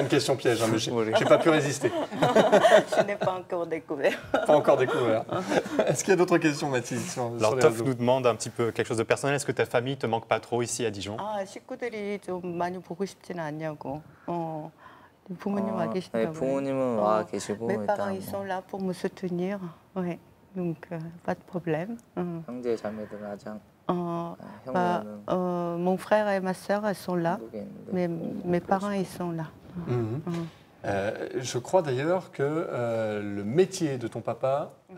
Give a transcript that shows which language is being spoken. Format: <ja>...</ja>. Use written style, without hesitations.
<fr>une question piège, hein, mais j'ai pas pu résister. Je n'ai pas encore découvert. Est-ce qu'il y a d'autres questions, Mathis, sur Alors, Toff nous demande un petit peu quelque chose de personnel. Est-ce que ta famille te manque pas trop ici à Dijon?</fr> <ko>Ah, 식구들이 좀 많이 보고 싶지는 않냐고. 부모님 와 계시다고. 네, 부모님은 와 계시고.</ko> <fr>일단 mes parents, ils sont là pour me soutenir. Oui, donc pas de problème.</fr> <ko>형제 자매들 아장.</ko> <fr>Mon frère et ma sœur, elles sont là, mais mes parents, ils sont là. Je crois d'ailleurs que le métier de ton papa,</fr>